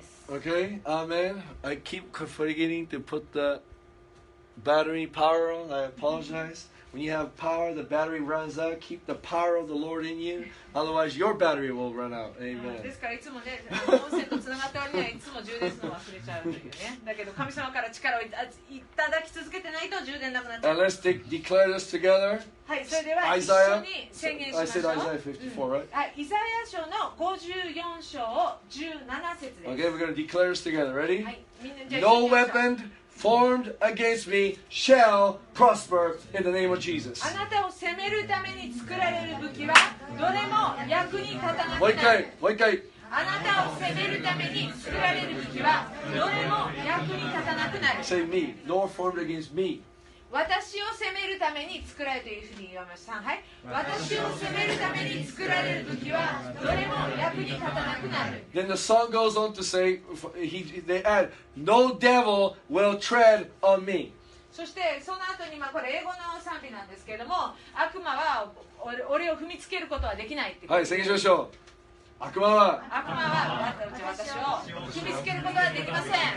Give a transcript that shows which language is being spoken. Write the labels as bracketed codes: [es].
[en] Okay, amen. I keep forgetting to put the battery power on. I apologize. When you have power, the battery runs out. Keep the power of the Lord in you. Otherwise, your battery will run out. Amen. [ja] ですからいつもね、音声とつながった割にはいつも充電するの忘れちゃうんだけどね。だけど神様から力をいただき続けてないと充電なくなっちゃう。 [en] Let's declare this together. [ja] はい、それでは一緒に宣言しましょう。 [en] I said Isaiah 54, right? [ja] はい、イザヤ書の54章17節です。 [en] Okay, we're going to declare this together. Ready? [ja] はい、 [en] No weapon formed against me shall prosper in the name of Jesus. [ja] あなたを攻めるために作られる武器はどれも役に立たなくなる。もう一回、もう一回。あなたを責めるために作られる武器はどれも役に立たなくなる。 [en] Say me, no one formed against me. [ja] 私を責めるために作られるというふうに言われました。はい。私を責めるために作られる武器はどれも役に立たなくなる。 [en] Then the song goes on to say, they add, no devil will tread on me. [ja] そしてその後に、まあ、これ英語の賛美なんですけれども、悪魔は俺を踏みつけることはできないってことです。 はい、宣言しましょう。悪魔は私を踏みつけることはできません。